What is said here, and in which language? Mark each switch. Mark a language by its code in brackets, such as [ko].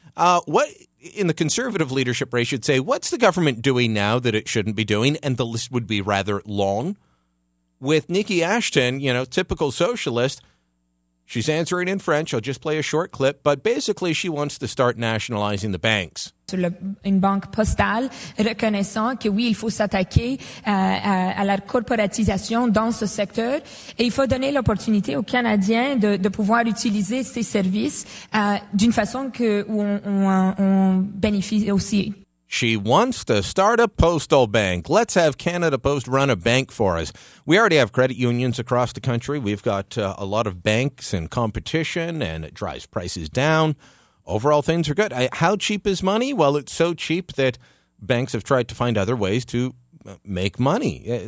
[en] What in the conservative leadership race should say, what's the government doing now that it shouldn't be doing? And the list would be rather long. With Nikki Ashton, you know, typical socialist, She's answering in French. I'll just play a short clip. But basically, she wants to start nationalizing the banks. [fr] Une banque postale reconnaissant que oui, il faut s'attaquer à la corporatisation dans ce secteur et il faut donner l'opportunité aux Canadiens de pouvoir utiliser ces services d'une façon que on bénéficie aussi. [en] She wants to start a postal bank. Let's have Canada Post run a bank for us. We already have credit unions across the country. We've got a lot of banks and competition, and it drives prices down. Overall, things are good. How cheap is money? Well, it's so cheap that banks have tried to find other ways to make money.